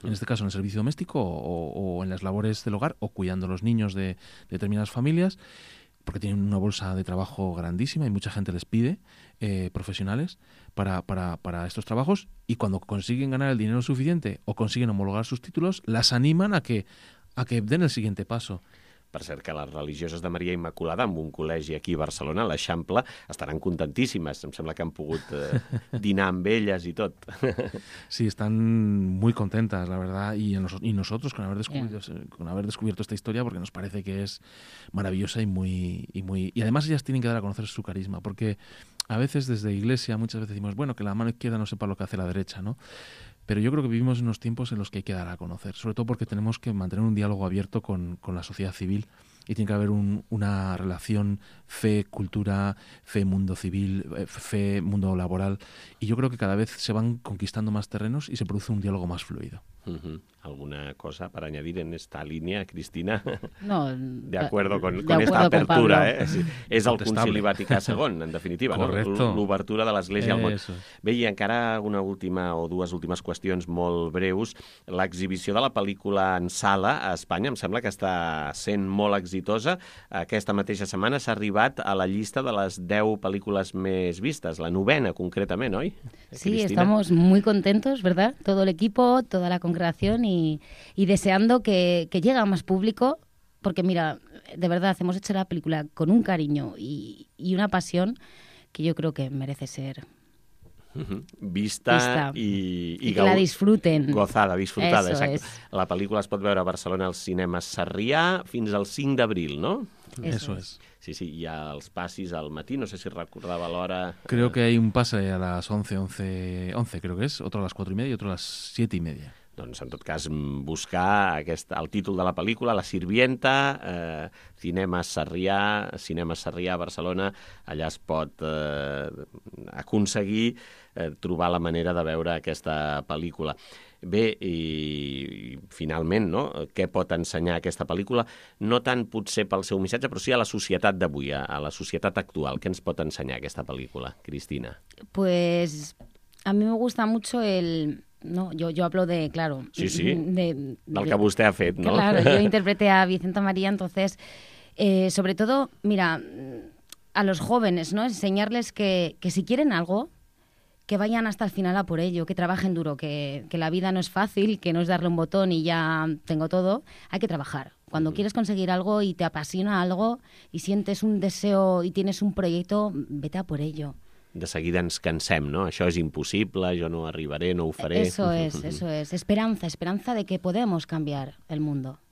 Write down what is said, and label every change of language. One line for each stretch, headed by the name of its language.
Spanish: En este caso, en el servicio doméstico o en las labores del hogar o cuidando a los niños de determinadas familias, porque tienen una bolsa de trabajo grandísima y mucha gente les pide profesionales para estos trabajos, y cuando consiguen ganar el dinero suficiente o consiguen homologar sus títulos, las animan a que den el siguiente paso.
Catalan: Per cert, que les religioses de Maria Immaculada, amb un col·legi aquí a Barcelona, a l'Eixample, estaran contentíssimes. Em sembla que han pogut dinar amb elles i tot.
Spanish: Sí, estan muy contentas, la verdad, y nosotros con haber descubierto, con haber descubierto esta historia, porque nos parece que es maravillosa y además ellas tienen que dar a conocer su carisma, porque a veces desde Iglesia muchas veces decimos, bueno, que la mano izquierda no sepa lo que hace la derecha, ¿no? Pero yo creo que vivimos unos tiempos en los que hay que dar a conocer, sobre todo porque tenemos que mantener un diálogo abierto con la sociedad civil y tiene que haber una relación fe-cultura, fe-mundo civil, fe-mundo laboral. Y yo creo que cada vez se van conquistando más terrenos y se produce un diálogo más fluido. Uh-huh. ¿Alguna cosa para añadir en esta línea, Cristina? No. De acuerdo con esta apertura.
Catalan: Sí. Es el Concili Vaticà II, en definitiva.
Spanish: Correcto.
Catalan: No? L'obertura de l'Església al món. Bé, i encara una última o dues últimes qüestions molt breus. L'exhibició de la pel·lícula en sala a Espanya em sembla que està sent molt exitosa. Aquesta mateixa setmana s'ha arribat a la llista de les 10 pel·lícules més vistes, la novena concretament, oi?
Spanish: Sí, estamos muy contentos, ¿verdad? Todo el equipo, toda la congregación y deseando que llegue a más público, porque mira, de verdad, hemos hecho la película con un cariño y una pasión que yo creo que merece ser vista y que la disfruten. Gozada, disfrutada, eso exacto. Es.
Catalan: La película es pot veure a Barcelona als cinemes Sarrià fins al 5 d'abril, ¿no?
Spanish: Eso es. Sí, sí, y a los pases
Catalan: al matí,
Spanish: no sé si recordaba la hora. Creo que hay un pase a las 11, creo que es, otro a las 4 y media y otro a las 7 y media.
Catalan: Doncs, en tot cas, buscar el títol de la pel·lícula, La Sirvienta, Cinema Sarrià a Barcelona, allà es pot aconseguir trobar la manera de veure aquesta pel·lícula. Bé, i finalment, no? Què pot ensenyar aquesta pel·lícula? No tant potser pel seu missatge, però sí a la societat d'avui, a la societat actual. Què ens pot ensenyar aquesta pel·lícula, Cristina?
Spanish: Pues a mí me gusta mucho el... No, yo hablo de, claro...
Catalan: Sí, sí, del que vostè ha fet, ¿no?
Spanish: Claro, yo interpreté a Vicenta María, entonces, sobre todo, mira, a los jóvenes, ¿no? Enseñarles que si quieren algo, que vayan hasta el final a por ello, que trabajen duro, que la vida no es fácil, que no es darle un botón y ya tengo todo. Hay que trabajar. Cuando quieres conseguir algo y te apasiona algo y sientes un deseo y tienes un proyecto, vete a por ello.
Catalan: De seguida ens cansem, no? Això és impossible, jo no arribaré, no ho faré.
Spanish: Eso es, eso es. Esperanza de que podemos cambiar el mundo.